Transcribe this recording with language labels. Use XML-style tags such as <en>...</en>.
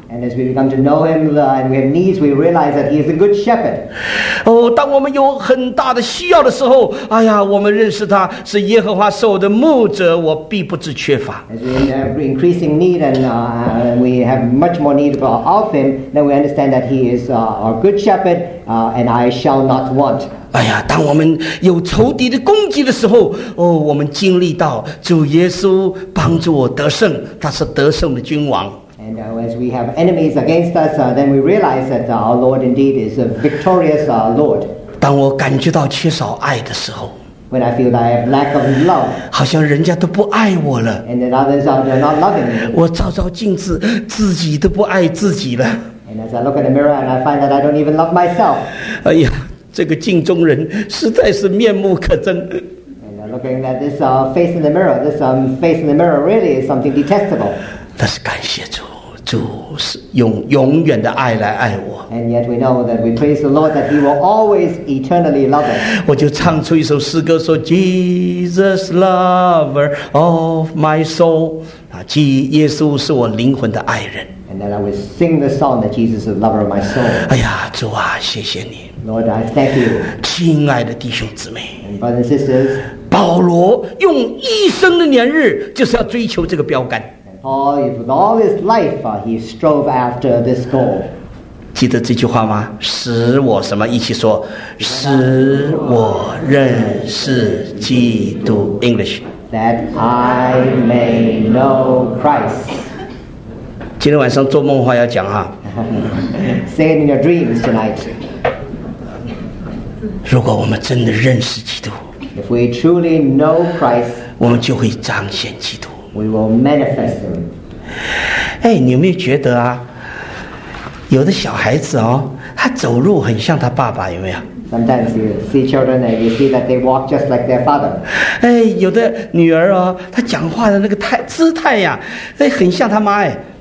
<en>And as we come to know Him and we have needs, we realize that He is a good shepherd.</en> <zh>哦，当我们有很大的需要的时候，哎呀，我们认识他是耶和华是我的牧者，我必不致缺乏。</zh> <en>As we have increasing need and we have much more need of Him, then we understand that He is our good shepherd. And I shall not want.</en> <zh>哎呀，当我们有仇敌的攻击的时候，哦，我们经历到主耶稣帮助我得胜，他是得胜的君王。</zh> <en>And as we have enemies against us, then we realize that our Lord indeed is a victorious Lord.</en> <zh>当我感觉到缺少爱的时候，</zh> <en>when I feel that I have lack of love,</en> <zh>好像人家都不爱我了，</zh> <en>and that others are not loving me,</en> <zh>我照照镜子，自己都不爱自己了。</zh> <en>And as I look in the mirror, and I find that I don't even love myself.</en> <zh>哎呀，这个镜中人实在是面目可憎。</zh> <en>And looking at this face in the mirror, this face in the mirror really is something detestable.</en> <zh>但是感谢主，主是用永远的爱来爱我。</zh> <en>And yet we know that we praise the Lord that He will always eternally love us.</en> <zh>我就唱出一首诗歌说 ，</zh> <en>Jesus, lover of my soul.</en> <zh>啊，耶稣是我灵魂的爱人。</zh> <en>And then I will sing the song that Jesus is the lover of my soul.</en> <zh>哎呀，主啊，谢谢你。</zh> <en>Lord, I thank you.</en> <zh>亲爱的弟兄姊妹。</zh> <en>And brothers and sisters.</en> <zh>保罗用一生的年日就是要追求这个标杆。</zh> <en>And With all his life, he strove after this goal.</en> <zh>记得这句话吗？使我什么？一起说，使我认识基督。</zh> <en>English. That I may know Christ.</en> <zh>今天晚上做梦话要讲哈。</zh> <en>Say it in your dreams tonight.</en> <zh>如果我们真的认识基督，</zh> <en>if we truly know Christ,</en> <zh>我们就会彰显基督。</zh> <en>We will manifest him.</en> <zh>哎，你有没有觉得啊？有的小孩子哦，他走路很像他爸爸，有没有？</zh> <en>Sometimes you see children and you see that they walk just like their father.</en> <zh>哎，有的女儿哦，她讲话的那个姿态呀，哎，很像她妈哎。</zh>